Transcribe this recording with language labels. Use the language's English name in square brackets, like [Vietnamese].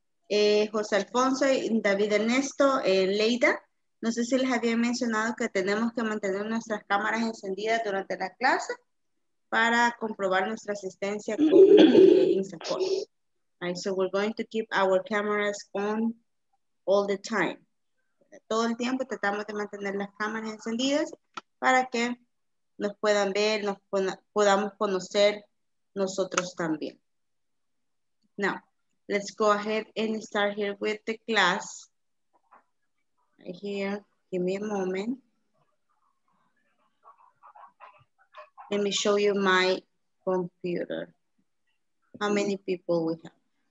[Spanish] José Alfonso y David Ernesto and Leila. No sé si les había mencionado que tenemos que mantener nuestras cámaras encendidas durante la clase para comprobar nuestra asistencia con INSAFORP. [English] Right, so we're going to keep our cameras on all the time. [Spanish] Todo el tiempo tratamos de mantener las cámaras encendidas para que nos puedan ver, nos podamos conocer nosotros también. [English] Now, let's go ahead and start here with the class. Right here, give me a moment. Let me show you my computer. How many people we have?